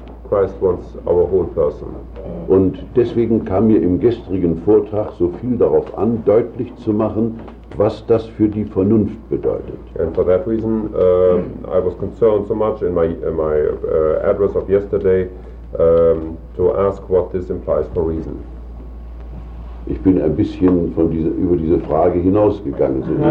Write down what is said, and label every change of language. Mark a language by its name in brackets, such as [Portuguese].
[English] Christ wants our whole person. [German] Und deswegen kam mir im gestrigen Vortrag so viel darauf an, deutlich zu machen, was das für die Vernunft bedeutet. [English] And for that reason, I was concerned so much in my address of yesterday to ask what this implies for reason. [German] Ich bin ein bisschen über diese Frage hinausgegangen.